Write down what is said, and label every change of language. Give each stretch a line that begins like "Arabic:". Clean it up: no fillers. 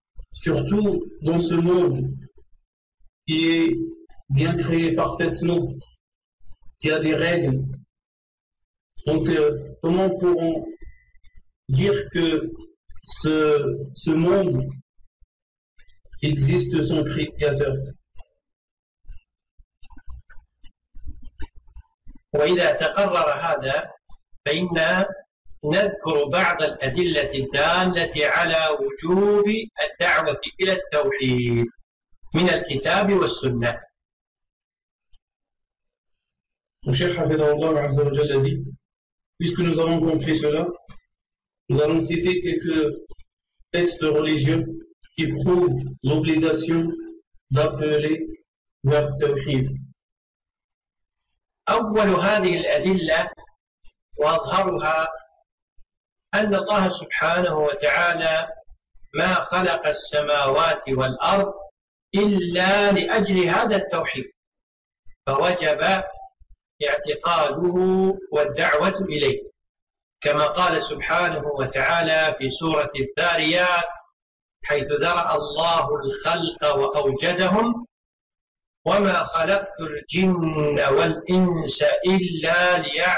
French: Surtout dans ce monde qui est bien créé parfaitement, qui a des règles. Donc, comment pourront dire que ce monde existe sans créateur?
Arabic: وإذا تقرر هذا فإنا نذكر بعض الأدلة الدالة على وجوب الدعوة إلى التوحيد من الكتاب والسنة. الشيخ حفظه الله عز وجل دي.
French: Puisque nous avons compris cela, nous allons citer quelques textes religieux qui prouvent l'obligation d'appeler vers Tawhid.
Arabic: أول هذه الأدلة وأظهرها أن الله سبحانه وتعالى ما خلق السماوات والأرض إلا لأجل هذا التوحيد فوجب اعتقاده والدعوة إليه كما قال سبحانه وتعالى في سورة الذاريات حيث ذرأ الله الخلق وأوجدهم وما خلقت الجن والإنس إلا